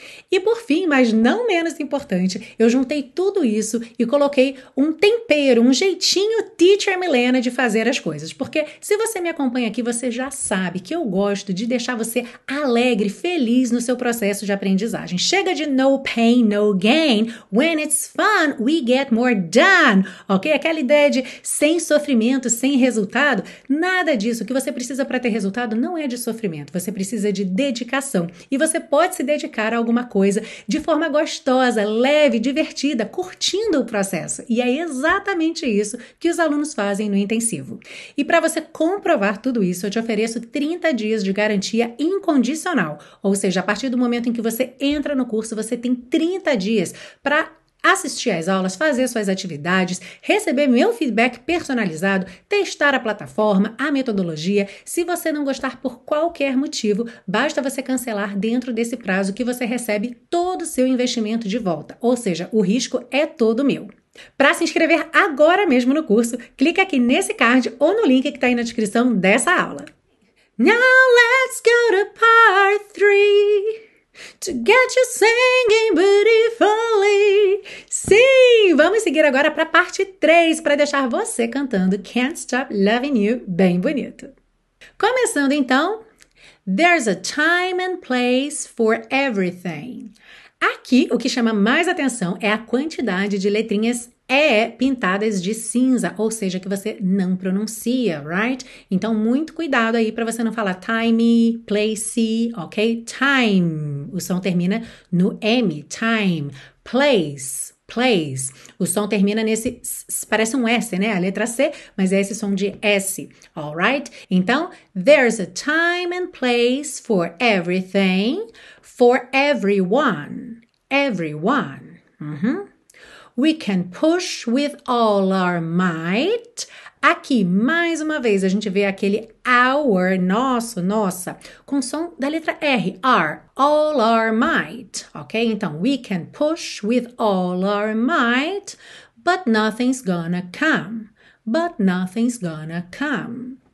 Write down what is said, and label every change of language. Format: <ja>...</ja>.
<pt>E por fim, mas não menos importante, eu juntei tudo isso e coloquei um tempero, um jeitinho Teacher Milena de fazer as coisas. Porque se você me acompanha aqui, você já sabe que eu gosto de deixar você alegre, feliz no seu processo de aprendizagem. Chega de</pt> <en>no pain, no gain. When it's fun, we get more done.</en> <pt>Ok? Aquela ideia de sem sofrimento, sem resultado. Nada disso. O que você precisa para ter resultado não é de sofrimento. Você precisa de dedicação. E você pode se dedicar alguma coisa de forma gostosa, leve, divertida, curtindo o processo. E é exatamente isso que os alunos fazem no intensivo. E para você comprovar tudo isso, eu te ofereço 30 dias de garantia incondicional. Ou seja, a partir do momento em que você entra no curso, você tem 30 dias para assistir às aulas, fazer suas atividades, receber meu feedback personalizado, testar a plataforma, a metodologia. Se você não gostar por qualquer motivo, basta você cancelar dentro desse prazo que você recebe todo o seu investimento de volta. Ou seja, o risco é todo meu. Para se inscrever agora mesmo no curso, clique aqui nesse card ou no link que está aí na descrição dessa aula.</pt> <en>Now let's go to part 3. To get you singing beautifully.</en> <pt>Sim, vamos seguir agora para a parte 3 para deixar você cantando Can't Stop Loving You bem bonito. Começando então.</pt> <en>There's a time and place for everything.</en> <pt>Aqui, o que chama mais atenção é a quantidade de letrinhas E pintadas de cinza, ou seja, que você não pronuncia, right? Então, muito cuidado aí para você não falar timey, placey, ok? Time, o som termina no M, time. Place, place, o som termina nesse, parece um S, né? A letra C, mas é esse som de S, alright?</pt> <en>Então, there's a time and place for everything, for everyone, everyone. Uhum. We can push with all our might.</en> <pt>Aqui, mais uma vez, a gente vê aquele our, nosso, nossa, com som da letra R, our,</pt> <en>all our might,</en> <pt>ok?</pt> <en>Então, we can push with all our might, but nothing's gonna come, but nothing's gonna come.</en>